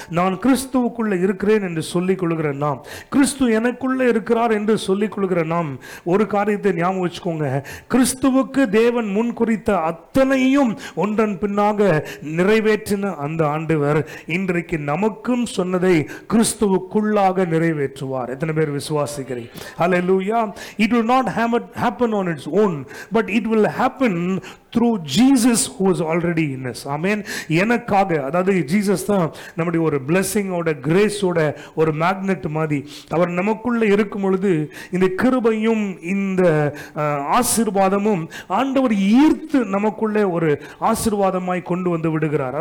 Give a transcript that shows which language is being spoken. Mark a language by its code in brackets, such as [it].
[ta] நான் கிறிஸ்துவுக்குள்ள இருக்கிறேன் என்று சொல்லிக் கொள்கிற நாம், கிறிஸ்து எனக்குள்ள இருக்கிறார் என்று சொல்லிக் கொள்கிற நாம், ஒரு காரியத்தை ஞாபகம் வச்சுக்கோங்க, கிறிஸ்துவுக்கு தேவன் முன் குறித்த அத்தனையும் ஒன்றன் பின்னாக நிறைவேற்றின அந்த ஆண்டவர் இன்றைக்கு நமக்கும் சொன்னதை கிறிஸ்துவுக்குள்ளாக நிறைவேற்றுவார். எத்தனை பேர் விசுவாசிக்கிறீங்க? ஹல்லேலூயா. [en] It will not happen on its own, but it will happen through Jesus who is already in us. Amen. [ta] எனக்காக, அதாவது ஜீசஸ் தான் நம்முடைய ஒரு பிளெஸ்ஸிங்கோட கிரேஸோட ஒரு மேக்னெட் மாதிரி. அவர் நமக்குள்ள இருக்கும் பொழுது இந்த கிருபையும் இந்த ஆசீர்வாதமும் ஆண்டவர் ஈர்த்து நமக்குள்ளே ஒரு ஆசீர்வாதமாய் கொண்டு வந்து விடுகிறார்.